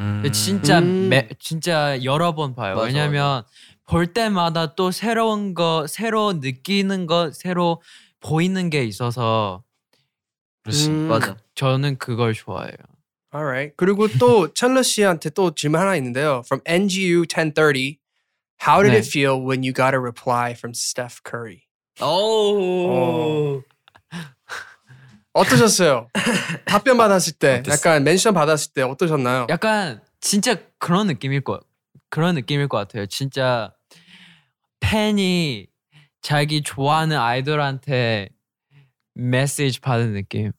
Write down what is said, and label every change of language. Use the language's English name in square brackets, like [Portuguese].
[Korean] 진짜 진짜 여러 번 봐요. 맞아, 왜냐면 맞아. 볼 때마다 또 새로운 거 새로 느끼는 거 새로 보이는 게 있어서 맞아. 저는 그걸 좋아해요. [English] Alright. [Korean] 그리고 또 찰러 씨한테 또 질문 하나 있는데요. [English] From NGU 1030, how did 네. it feel when you got a reply from Steph Curry? Oh. [Korean] 어떠셨어요? 답변 받았을 때, 약간 멘션 받았을 때 어떠셨나요? 약간 진짜 그런 느낌일 것 같아요. 진짜 팬이 자기 좋아하는 아이돌한테 메시지 받은 느낌.